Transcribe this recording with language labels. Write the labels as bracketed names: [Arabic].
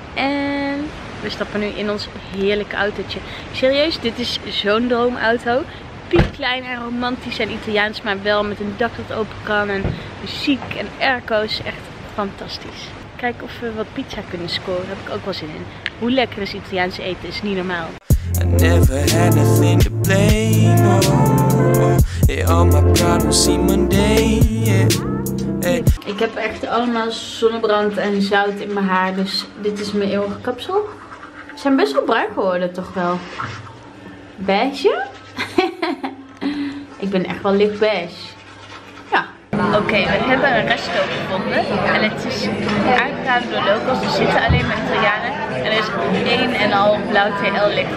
[Dutch] En we stappen nu in ons heerlijke autootje. Serieus, dit is zo'n droomauto. Piepklein en romantisch en Italiaans, maar wel met een dak dat open kan en muziek en airco's. Echt fantastisch. Kijken of we wat pizza kunnen scoren, heb ik ook wel zin in. Hoe lekker is Italiaans eten, is niet normaal. [English] I never had nothing to blame, oh. Yeah, all my problems seem mundane, yeah. Hey. [Dutch] Ik heb echt allemaal zonnebrand en zout in mijn haar, dus dit is mijn eeuwige kapsel. We zijn best wel bruin geworden, toch wel. Beige? Ik ben echt wel licht beige. Oké, we hebben een resto gevonden en het is aangedaan door locals, er zitten alleen maar Italianen en er is één en al blauw TL licht.